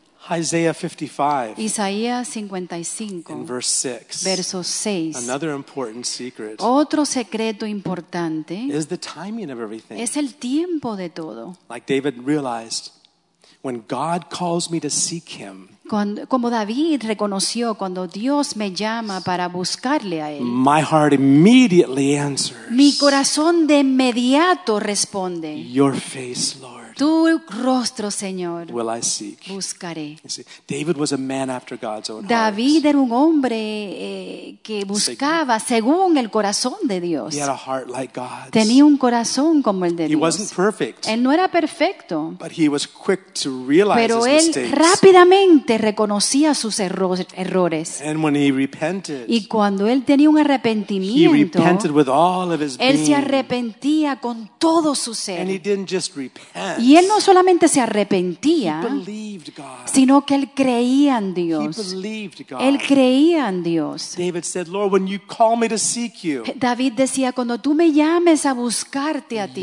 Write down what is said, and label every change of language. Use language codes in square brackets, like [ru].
[en] Isaiah 55. [es] Isaías 55. [en] In verse 6. [es] Verso 6. [en] Another important secret. [es] Otro secreto importante. [en] Is the timing of everything. [es] Es el tiempo de todo. [en] Like David realized, when God calls me to seek him. [es] Como David reconoció, cuando Dios me llama para buscarle a él, [en] my heart immediately answers. [es] Mi corazón de inmediato responde. [en] Your face, Lord. [es] Tu rostro, Señor. [en] Will I seek? [es] Buscaré. [en] David was a man after God's own heart. [es] David era un hombre que buscaba según el corazón de Dios. [en] He had a heart like God's. [es] Tenía un corazón como el de Dios. [en] He wasn't perfect. [es] Él no era perfecto. [en] But he was quick to realize his mistakes. [es] Pero él rápidamente reconocía sus errores. [en] And when he repented. [es] Y cuando él tenía un arrepentimiento. [en] He repented with all of his being. [es] Él se arrepentía con todo su ser. [en] And he didn't just repent. [es] Y él no solamente se arrepentía, sino que él creía en Dios. Él creía en Dios. [en] David said, Lord, when you call me to seek you, [es] David decía, cuando tú me llames a buscarte a ti,